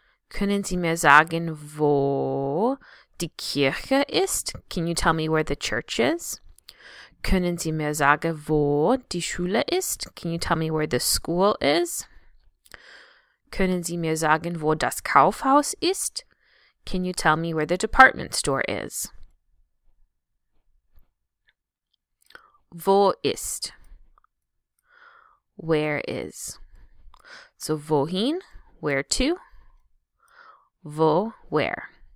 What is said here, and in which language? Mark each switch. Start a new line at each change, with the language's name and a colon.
German: Können Sie mir sagen, wo die Kirche ist?
English: Can you tell me where the church is?
German: Können Sie mir sagen, wo die Schule ist?
English: Can you tell me where the school is?
German: Können Sie mir sagen, wo das Kaufhaus ist?
English: Can you tell me where the department store is?
German: Wo ist?
English: Where is?
German: So, wohin,
English: where to?
German: Wo,
English: where?